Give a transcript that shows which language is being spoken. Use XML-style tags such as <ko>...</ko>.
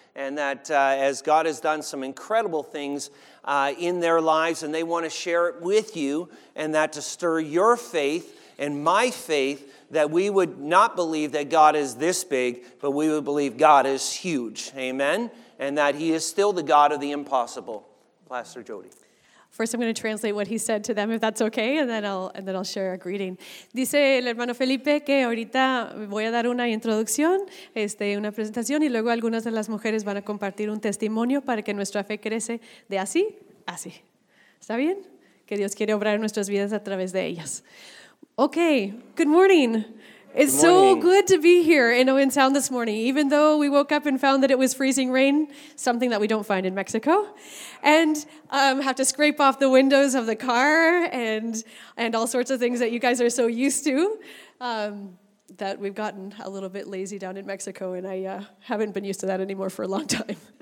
<en>And that as God has done some incredible things in their lives, and they want to share it with you, and that to stir your faith and my faith, that we would not believe that God is this big, but we would believe God is huge. Amen. And that he is still the God of the impossible. Pastor Jody. First, I'm going to translate what he said to them, if that's okay, and then I'll share a greeting.</en> <es>Dice el hermano Felipe que ahorita voy a dar una introducción, una presentación, y luego algunas de las mujeres van a compartir un testimonio para que nuestra fe crece de así a así. ¿Está bien? Que Dios quiere obrar en nuestras vidas a través de ellas.</es> <en>Okay, good morning. It's so good to be here in Owen Sound this morning, even though we woke up and found that it was freezing rain, something that we don't find in Mexico, and have to scrape off the windows of the car and all sorts of things that you guys are so used to that we've gotten a little bit lazy down in Mexico, and I haven't been used to that anymore for a long time.</en>